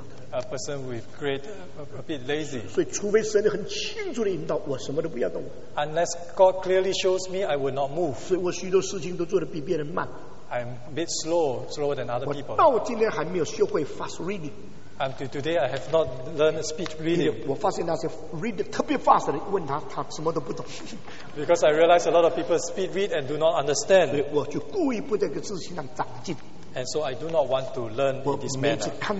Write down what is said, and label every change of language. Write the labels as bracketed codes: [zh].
[en] A person with great, a bit lazy. [zh] 所以除非神很清楚地引导我，什么都不要动。 [en] Unless God clearly shows me, I will not move. [zh] 所以我许多事情都做得比别人慢。 [en] I'm a bit slower than other people. [zh] 我到今天还没有学会 [en] fast reading. Until today, I have not learned speech reading. [zh] 我发现那些 read 特别 fast 的，问他，他什么都不懂。 [en] Because I realize a lot of people speed read and do not understand. [zh] 所以我就故意不在这个事情上长进。 [en] And so I do not want to learn in this manner.